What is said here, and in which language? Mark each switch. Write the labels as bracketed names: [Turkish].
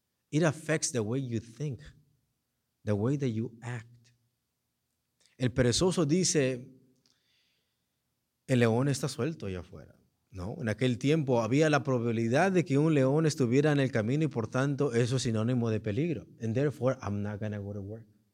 [English] It affects the way you think, the way that you act. [Spanish] El perezoso dice, el león está suelto allá afuera. No, en aquel tiempo había la probabilidad de que un león estuviera en el camino y por tanto eso es sinónimo de peligro. [English] And therefore, I'm not going to go to work.